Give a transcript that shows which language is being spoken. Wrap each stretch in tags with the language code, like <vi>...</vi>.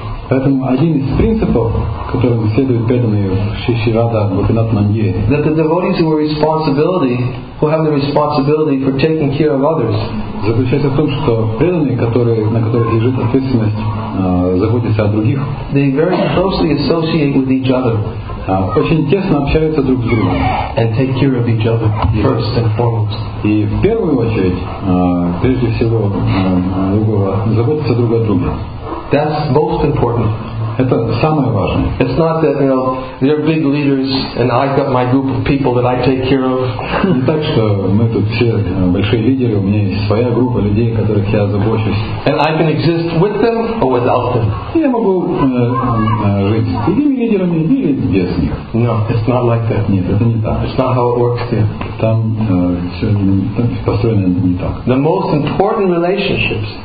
<ru>Поэтому один из принципов, которым следует преданный Шри Шри Радха Гопинат Мандир,</ru> <en>that the devotees who are responsibility, who have the responsibility for taking care of others,</en> <ru>заключается в том, что преданные, на которых лежит ответственность, заботиться о других,</ru> <en>they very closely associate with each other,</en> <ru>очень тесно общаются друг с другом,</ru> <en>and take care of each other first and foremost.</en> <ru>И в первую очередь, прежде всего, другого, заботиться друг о друге.</ru> <en>That's most important.</en> <ru>Это самое важное.</ru> <en>It's not that, you know, they're big leaders and I've got my group of people that I take care of.</en> <ru>Не так, что мы тут все большие лидеры, у меня есть своя группа людей, которых я забочусь.</ru> <en>And I can exist with them or without them.</en> <ru>Я могу жить с другими лидерами или без них.</ru> <en>No, it's not like that.</en> <ru>Нет, это не так.</ru> <en>It's not how it works there.</en> <ru>Там все построено не так.</ru> <en>The most important relationships,</en>